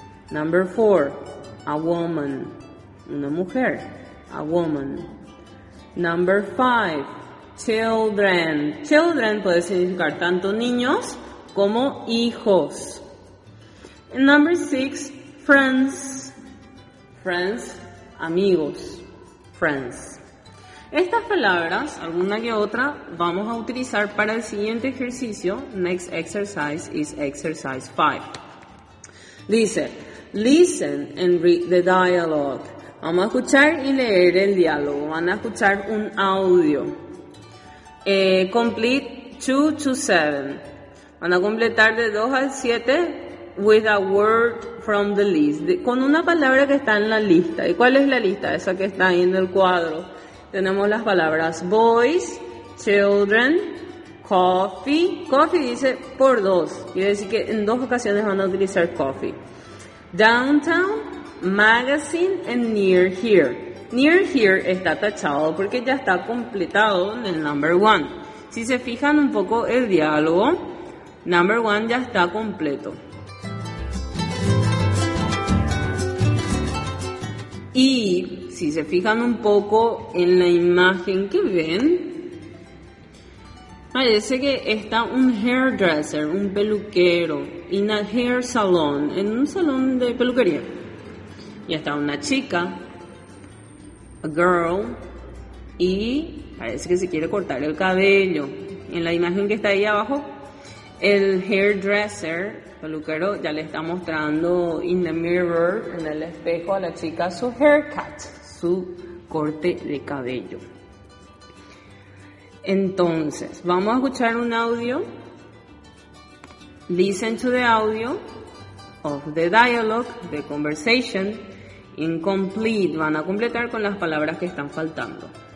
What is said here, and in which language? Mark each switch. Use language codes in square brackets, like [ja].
[en] Number 4, a woman, [es] una mujer, [en] a woman. Number 5, children. [es] Children puede significar tanto niños como hijos. [en] Number 6, friends. Friends, amigos, friends. [es] Estas palabras, alguna que otra, vamos a utilizar para el siguiente ejercicio. [en] Next exercise is exercise 5. Dice, listen and read the dialogue. [es] Vamos a escuchar y leer el diálogo. Van a escuchar un audio. [en] Complete 2 to 7. [es] Van a completar de 2 al 7 [en] with a word from the list. [es] Con una palabra que está en la lista. ¿Y cuál es la lista? Esa que está ahí en el cuadro. Tenemos las palabras boys, children, coffee. Coffee dice por dos. Quiere decir que en dos ocasiones van a utilizar coffee. [en] Downtown, magazine, and near here. [es] Near here está tachado porque ya está completado en el number one. Si se fijan un poco el diálogo, number one ya está completo. Y si se fijan un poco en la imagen que ven, parece que está un hairdresser, un peluquero, [en] in a hair salon, [es] en un salón de peluquería. Y está una chica, [en] a girl, [es] y parece que se quiere cortar el cabello. En la imagen que está ahí abajo, el hairdresser, peluquero, ya le está mostrando [en] in the mirror, [es] en el espejo, a la chica su haircut, su corte de cabello. Entonces, vamos a escuchar un audio. [en] Listen to the audio of the dialogue, the conversation, incomplete. [es] Van a completar con las palabras que están faltando.